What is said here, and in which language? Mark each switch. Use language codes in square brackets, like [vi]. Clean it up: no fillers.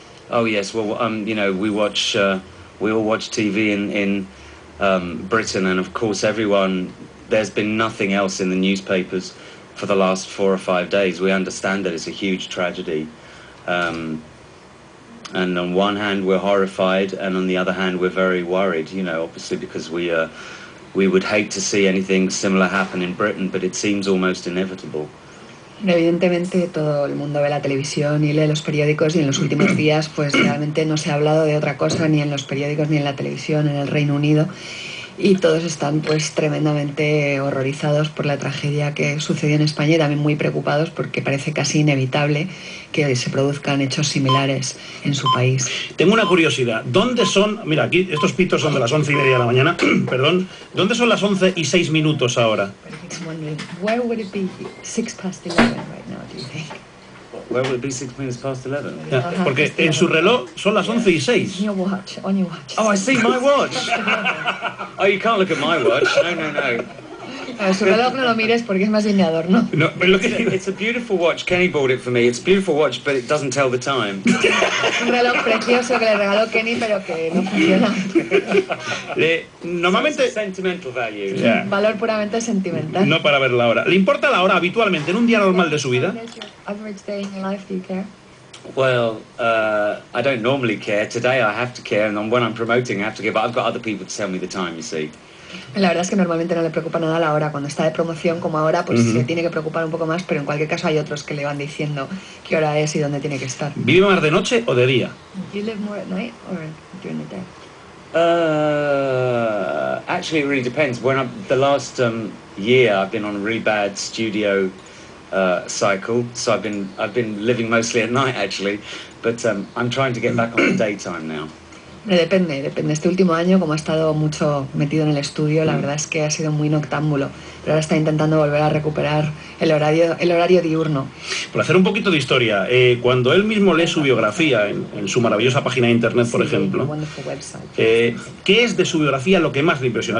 [en] Oh yes, well, you know, we all watch TV in Britain, and of course everyone, there's been nothing else in the newspapers for the last 4 or 5 days. We understand that it's a huge tragedy. And on one hand, we're horrified, and on the other hand, we're very worried, you know, obviously, because we would hate to see anything similar happen in Britain, but it seems almost inevitable. [es] Evidentemente, todo el mundo ve la televisión y lee los periódicos, y en los últimos días, pues realmente no se ha hablado de otra cosa, ni en los periódicos, ni en la televisión, en el Reino Unido. Y todos están pues tremendamente horrorizados por la tragedia que sucedió en España y también muy preocupados porque parece casi inevitable que se produzcan hechos similares en su país. Tengo una curiosidad. ¿Dónde son? Mira, aquí estos pitos son de las 11:30 de la mañana. Perdón. ¿Dónde son las 11:06 ahora? [en] Where would it be 6 past 11 right now, do you think? Where would it be 6 minutes past 11? Yeah, [es] porque en su reloj son las 11:06. [en] On your watch, on your watch. Oh, I see, my watch. Oh, you can't look at my watch. No, no, no. [es] Su reloj no lo mires porque es más bien de adorno. [en] No, but look at it. It's a beautiful watch. Kenny bought it for me. It's a beautiful watch, but it doesn't tell the time. [es] Un reloj precioso que le regaló Kenny, pero que no funciona. Normalmente... [en] Sentimental value. Yeah. [es] Valor puramente sentimental. No para ver la hora. ¿Le importa la hora habitualmente en un día normal de su vida? [en] Average day in life, do you care? Well, I don't normally care. Today I have to care, and when I'm promoting I have to care, but I've got other people to tell me the time, you see. [es] La verdad es que normalmente no le preocupa nada la hora. Cuando está de promoción como ahora, pues se tiene que preocupar un poco más, pero en cualquier caso hay otros que le van diciendo qué hora es y dónde tiene que estar. ¿Vive más de noche o de día? [en] You live more at night or during the day? Actually, it really depends. When the last year I've been on a really bad studio cycle, so I've been living mostly at night actually, but I'm trying to get back on the daytime now. [es] Depende. Este último año, como ha estado mucho metido en el estudio, la verdad es que ha sido muy noctámbulo. Pero ahora está intentando volver a recuperar el horario diurno. Por hacer un poquito de historia, cuando él mismo lee su biografía en su maravillosa página de internet, por ejemplo, ¿qué es de su biografía lo que más le impresiona?